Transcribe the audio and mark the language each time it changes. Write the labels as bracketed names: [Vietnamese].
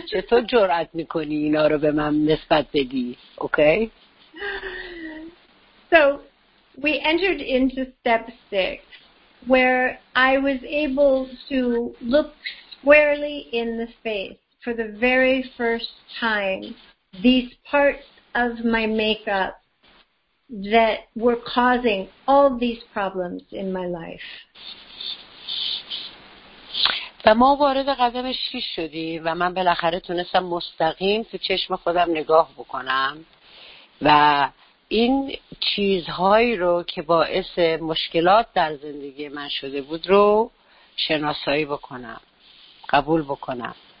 [Persian] چطور جرأت میکنی اینا رو به من نسبت بدی؟ Okay. [English] So we entered into step 6 where I was able to look squarely in the face for the very first time these parts of my makeup that were causing all these problems in my life. [Persian] و ما وارد قدم 6 شدیم و من بالاخره تونستم مستقیم تو چشم خودم نگاه بکنم و این چیزهایی رو که باعث مشکلات در زندگی من شده بود رو شناسایی بکنم، قبول بکنم.